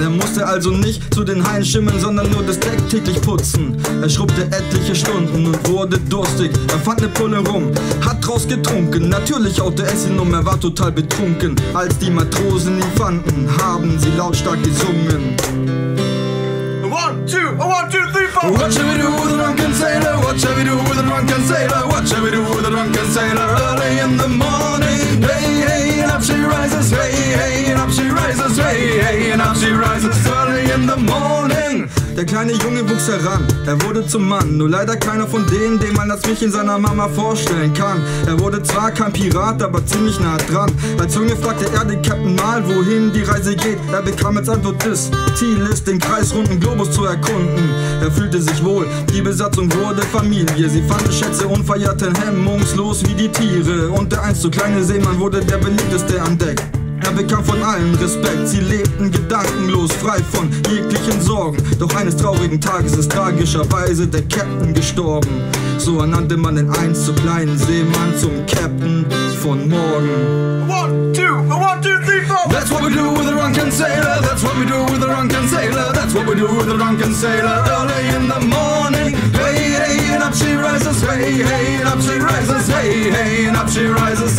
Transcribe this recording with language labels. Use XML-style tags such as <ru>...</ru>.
<de>Er musste also nicht zu den Haien schimmeln, sondern nur das Deck täglich putzen. Er schrubbte etliche Stunden und wurde durstig. Er fand eine Pulle rum, hat draus getrunken. Natürlich haute es ihn um, er war total betrunken. Als die Matrosen ihn fanden, haben sie lautstark gesungen. 1, 2, 1, 2, 3, 4.</de> <en>What shall we do with a drunken sailor? What shall we do with a drunken sailor? What shall we do with a drunken sailor? Early in the morning, hey, hey, and up she rises. Hey, hey, and up she rises. Hey, hey, and up she rises. Early in the morning.</en> <de>Der kleine Junge wuchs heran, er wurde zum Mann. Nur leider keiner von denen, den man das Mädchen seiner Mama vorstellen kann. Er wurde zwar kein Pirat, aber ziemlich nah dran. Als Junge fragte er den Captain mal, wohin die Reise geht. Er bekam als Antwort, das Ziel ist, den kreisrunden Globus zu erkunden. Er fühlte sich wohl, die Besatzung wurde Familie. Sie fanden Schätze und feierten hemmungslos wie die Tiere. Und der einst so kleine Seemann wurde der beliebteste am Deck. Er bekam von allen Respekt, sie lebten gedankenlos, frei von jeglichen Sorgen. Doch eines traurigen Tages ist tragischerweise der Captain gestorben. So ernannte man den einst so kleinen Seemann zum Captain von morgen. 1, 2, 1, 2, 3, 4.</de> <en>That's what we do with a drunken sailor. That's what we do with a drunken sailor. That's what we do with a drunken sailor. Early in the morning, hey, hey, and up she rises. Hey, hey, and up she rises. Hey, hey, and up she rises.</en>